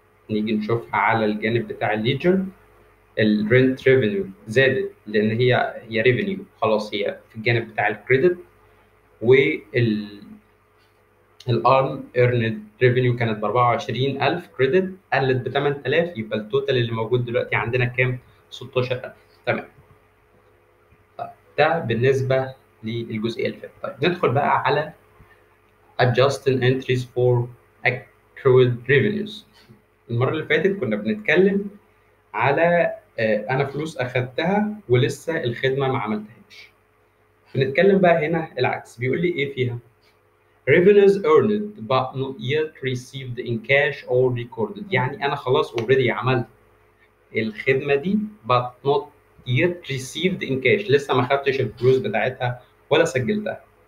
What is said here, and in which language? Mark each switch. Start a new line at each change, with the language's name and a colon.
Arabic: نيجي نشوفها على الجانب بتاع الليجر، الرنت ريفينيو زادت لان هي ريفينيو، خلاص هي في الجانب بتاع الكريدت، وال ايرند ريفينيو كانت ب 24,000 كريدت قلت ب 8,000، يبقى التوتال اللي موجود دلوقتي عندنا كام؟ 16,000. تمام. طيب ده بالنسبه للجزئيه اللي فاتت. طيب ندخل بقى على
English: adjusting entries for accrued revenues.
Arabic: المرة اللي فاتت كنا بنتكلم على أنا فلوس أخدتها ولسه الخدمة ما عملتهاش. بنتكلم بقى هنا العكس، بيقول لي إيه فيها؟
English: Revenues earned but not yet received in cash or recorded.
Arabic: يعني أنا خلاص already عملت الخدمة دي
English: but not yet received in cash،
Arabic: لسه ما خدتش الفلوس بتاعتها ولا سجلتها.